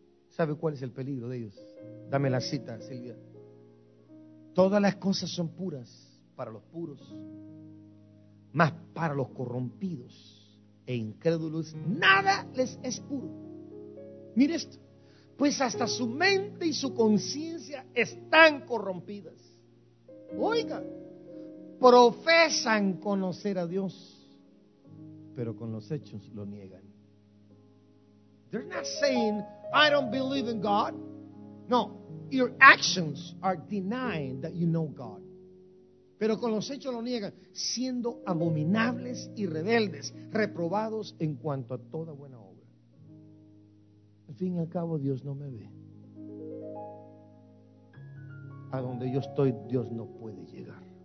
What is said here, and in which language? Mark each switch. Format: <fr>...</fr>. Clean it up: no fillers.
<es>¿Sabe cuál es el peligro de ellos? Dame la cita, Silvia. Todas las cosas son puras para los puros, mas para los corrompidos e incrédulos, nada les es puro. Mire esto. Pues hasta su mente y su conciencia están corrompidas. Oiga, profesan conocer a Dios, pero con los hechos lo niegan.</es> <en>They're not saying, I don't believe in God. No, your actions are denying that you know God.</en> <es>Pero con los hechos lo niegan, siendo abominables y rebeldes, reprobados en cuanto a toda buena obra. Al fin y al cabo, Dios no me ve. A donde yo estoy, Dios no puede llegar.</es>